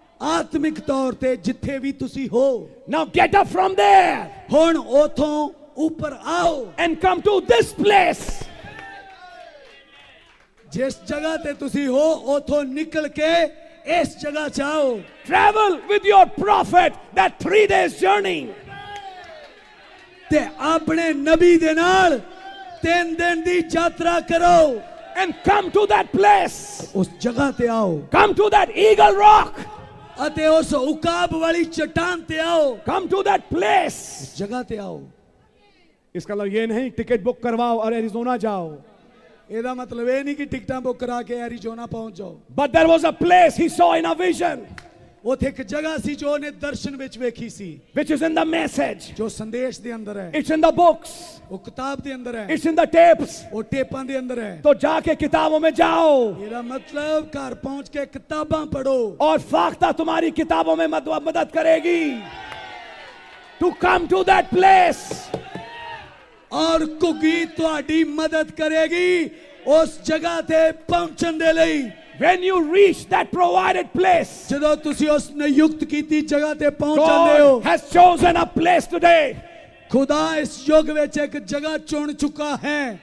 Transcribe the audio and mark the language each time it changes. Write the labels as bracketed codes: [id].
[pa] आत्मिक तौर ते जिथे भी तुसी हो [en] Now get up from there. [pa] हुण ओथों ऊपर आओ [en] And come to this place. [pa] जिस जगह ते तुसी हो ओथों निकल के इस जगह जाओ [en] Travel with your prophet that 3 days journey. [pa] ते अपने नबी दे नाल तेन दिन दी यात्रा करो [en] and come to that place [pa] उस जगह ते आओ [en] come to that eagle rock [pa] अते उस उकाब वाली चट्टान ते आओ [en] come to that place [pa] उस जगह ते आओ [hi] इसका मतलब ये नहीं टिकट बुक करवाओ और एरिजोना जाओ [pa] एदा मतलब ये नहीं कि टिकट बुक करा के एरिजोना पहुंच जाओ [en] but there was a place he saw in a vision [pa] ਉਥੇ ਇੱਕ ਜਗ੍ਹਾ ਸੀ ਜੋ ਉਹਨੇ ਦਰਸ਼ਨ ਵਿੱਚ ਵੇਖੀ ਸੀ [en] which is in the message [pa] ਜੋ ਸੰਦੇਸ਼ ਦੇ ਅੰਦਰ ਹੈ [en] it's in the books [pa] ਉਹ ਕਿਤਾਬ ਦੇ ਅੰਦਰ ਹੈ [en] it's in the tapes [pa] ਉਹ ਟੇਪਾਂ ਦੇ ਅੰਦਰ ਹੈ [hi] ਤੋ ਜਾ ਕੇ ਕਿਤਾਬੋਂ ਮੇ ਜਾਓ [pa] ਇਹਦਾ ਮਤਲਬ ਘਰ ਪਹੁੰਚ ਕੇ ਕਿਤਾਬਾਂ ਪੜੋ [hi] ਔਰ ਫਾਖਤਾ ਤੁਹਾਡੀ ਕਿਤਾਬੋਂ ਮੇ ਮਦਦ ਕਰੇਗੀ [en] to come to that place [pa] ਔਰ ਕੁਗੀ ਤੁਹਾਡੀ ਮਦਦ ਕਰੇਗੀ ਉਸ ਜਗ੍ਹਾ ਤੇ ਪਹੁੰਚਣ ਦੇ ਲਈ [en] When you reach that provided place, [pa] जो तुसी उस नियुक्त की थी जगह ते पहुंच [hi] जाते हो, [en] God has chosen a place today. [pa] खुदा इस योग वेच एक जगह चुन चुका है.